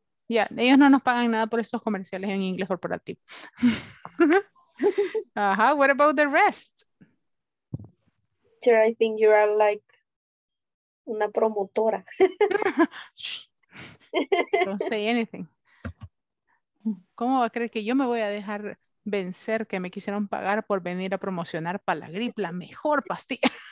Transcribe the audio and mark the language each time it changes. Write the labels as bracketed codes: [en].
[es] Ya, yeah, ellos no nos pagan nada por estos comerciales en inglés corporativo. [en] Ajá, what about the rest? Sure, I think you are like [es] una promotora. [en] Don't say anything. [es] ¿Cómo va a creer que yo me voy a dejar vencer que me quisieron pagar por venir a promocionar para la gripe, la mejor pastilla?